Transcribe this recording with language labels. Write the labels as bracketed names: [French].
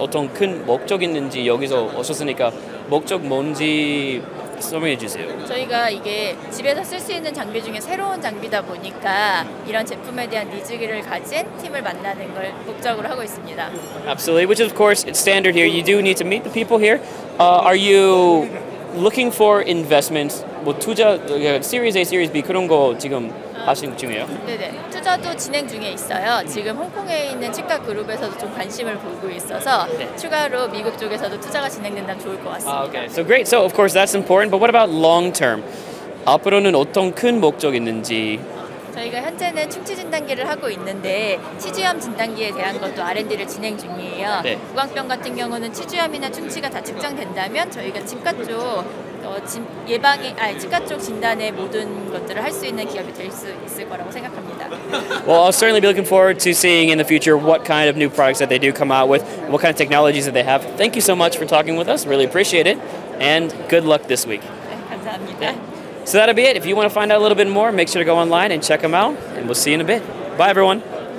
[Korean] 어떤 큰 목적 있는지 여기서 오셨으니까 목적 뭔지 설명해 주세요. 저희가 이게 집에서 쓸 수 있는 장비 중에 새로운 장비다 보니까 이런 제품에 대한 니즈기를 가진 팀을 만나는 걸 목적으로 하고 있습니다. [English] Absolutely, which is of course it's standard here. You do need to meet the people here. Are you looking for investments? [Korean] 뭐 투자 Series A, Series B 그런 거 지금 하신 중이에요? 네네 투자도 진행 중에 있어요. 지금 홍콩에 있는 치과 그룹에서도 좀 관심을 보고 있어서 네. 추가로 미국 쪽에서도 투자가 진행된다면 좋을 것 같습니다. [English] 아, okay. So great. So of course that's important. But what about long term? [Korean] 앞으로는 어떤 큰 목적 있는지? 저희가 현재는 충치 진단기를 하고 있는데 치주염 진단기에 대한 것도 R&D를 진행 중이에요. 네. 구강병 같은 경우는 치주염이나 충치가 다 측정된다면 저희가 치과 쪽 치과 쪽 진단의 모든 것들을 할 수 있는 기업이 될 수 있을 거라고 생각합니다. [English] Well, I'll certainly be looking forward to seeing in the future what kind of new products that they do come out with, what kind of technologies that they have. Thank you so much for talking with us. Really appreciate it. And good luck this week. [Korean] 감사합니다. [English] So that'll be it. If you want to find out a little bit more, make sure to go online and check them out. And we'll see you in a bit. Bye, everyone.